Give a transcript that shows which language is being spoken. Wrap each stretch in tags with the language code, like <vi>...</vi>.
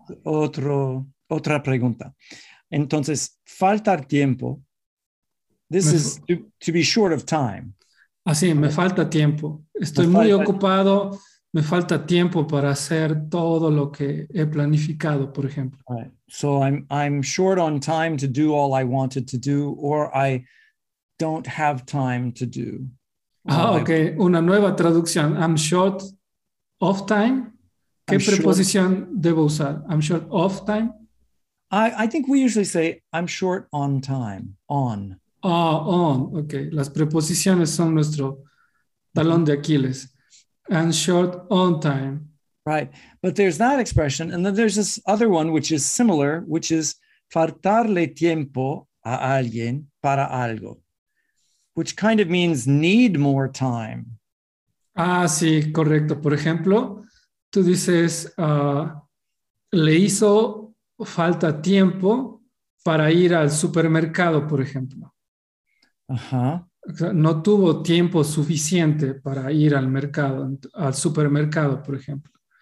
<es>Otra pregunta. Entonces, faltar tiempo</es> <en>This is to be short of time.</en> <es>Así, me falta tiempo. Estoy muy ocupado. Me falta tiempo para hacer todo lo que he planificado, por ejemplo.</es> <en>Right. So I'm short on time to do all I wanted to do, or I don't have time to do. Okay.</en> <es>Una nueva traducción.</es> <en>I'm short of time.</en> <es>¿Qué preposición debo usar?</es> <en>I'm short of time. I think we usually say I'm short on time. On. Oh, on. Okay.</en> <es>Las preposiciones son nuestro talón de Aquiles.</es> <en>And short on time. Right. But there's that expression. And then there's this other one, which is similar, which is</en> <es>faltarle tiempo a alguien para algo,</es> <en>which kind of means need more time.</en> <es>Ah, sí, correcto. Por ejemplo, tú dices, le hizo falta tiempo para ir al supermercado, por ejemplo. Ajá. No tuvo tiempo suficiente para ir al mercado, al supermercado, por ejemplo.</es>